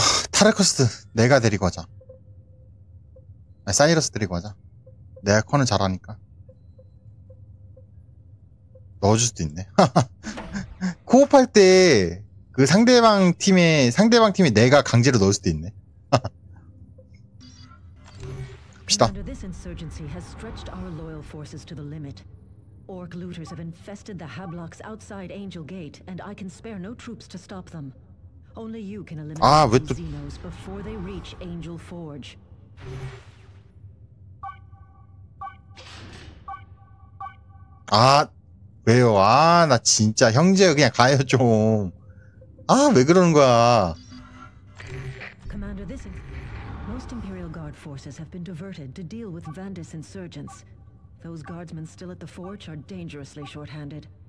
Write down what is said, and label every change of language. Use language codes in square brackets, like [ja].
[ko] 타르커스 내가 데리고 가자. 아니, 사이러스 데리고 가자. 내가 커는 잘하니까. 넣어줄 수도 있네. 코옵 할 때 그 상대방 팀에 내가 강제로 넣을 수도 있네. 갑시다. [en] Under this insurgency has stretched our loyal forces to the limit. Orc looters have infested the Hablocks outside Angel Gate, and I can spare no troops to stop them. Only you can eliminate the Xenos before they reach Angel Forge. [ko] 아 왜요? 아 나 진짜 형제 그냥 가요 좀. 아, 왜 그러는 거야? [en] Commander, this is... Most Imperial Guard forces have been diverted to deal with Vandis insurgents. Those guardsmen still at the forge are dangerously short-handed.